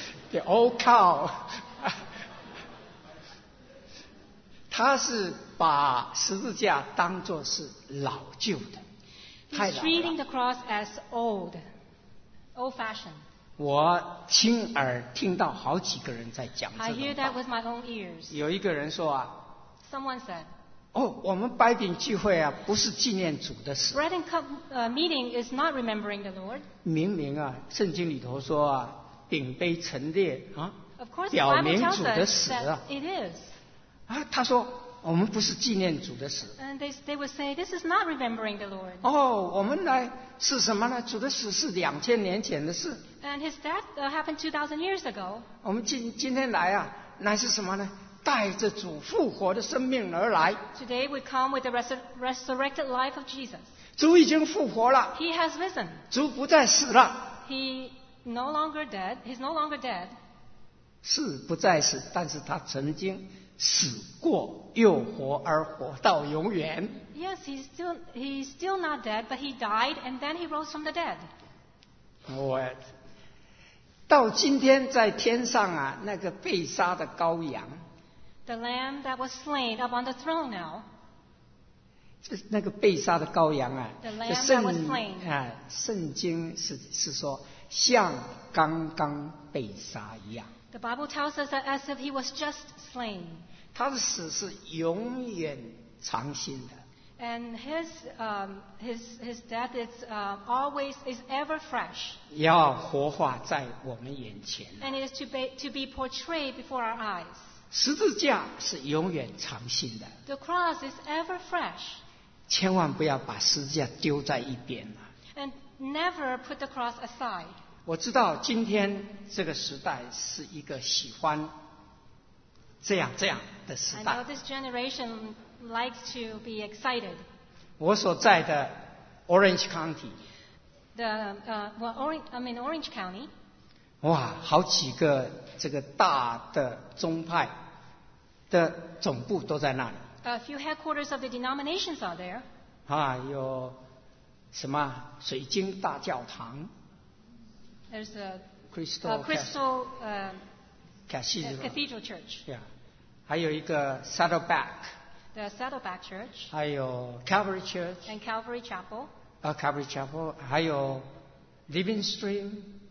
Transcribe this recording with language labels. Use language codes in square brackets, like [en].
[en] The old cow [zh] 他是把十字架当作是老旧的太老了 [en] He's treating the cross as old Old fashioned [zh] 我亲耳听到好几个人在讲这种话 [en] I hear that with my own ears [zh] 有一个人说啊 [en] Someone said [zh] 哦，我们掰饼聚会啊不是纪念主的事 [en] Bread and cup meeting is not remembering the Lord [zh] 明明啊圣经里头说啊饼杯陈列啊 [en] course, [zh] 表明主的死啊 [en] it is. [zh] 啊他说我们不是纪念主的死。 [en] And they would say, this is not remembering the Lord. [zh] 哦，我们来是什么呢？主的死是2000年前的事。 [en] And his death happened 2000 years ago. [zh] 我们今天来啊，乃是什么呢？带着主复活的生命而来。 [en] Today we come with the resurrected life of Jesus. [zh] 主已经复活了。 [en] He has risen. [zh] 主不再死了。 [en] He no longer dead. He's no longer dead. [zh] 是不再死，但是他曾经死过又活而活到永远。 [en] Yes, he's still not dead, but he died and then he rose from the dead. [zh] 到今天在天上啊，那个被杀的羔羊。 [en] The lamb that was slain up on the throne now. [zh] 这那个被杀的羔羊啊。 [en] The lamb that was slain. [zh] 圣经是说像刚刚被杀一样。 [en] The Bible tells us that as if he was just slain. [zh] 他的死是永远长新的。 [en] And his death is always is ever fresh. [zh] 要活化在我们眼前。 [en] And it is to be portrayed before our eyes. [zh] 十字架是永远长新的。 [en] The cross is ever fresh. [zh] 千万不要把十字架丢在一边了。 [en] And never put the cross aside. [zh] 我知道今天这个时代是一个喜欢这样这样的时代。 [en] I know this generation likes to be excited. [zh] 我所在的 Orange County. [en] Orange County. [zh] 哇，好几个这个大的宗派的总部都在那里。 [en] A few headquarters of the denominations are there. [zh] 啊，有什么水晶大教堂 [en] ？There's a Crystal Cathedral Church. Yeah. [zh] 还有一个 Saddleback. [en] The Saddleback Church. [zh] 还有 Calvary Church. [en] And Calvary Chapel. Calvary Chapel. [zh] 还有 Living Stream.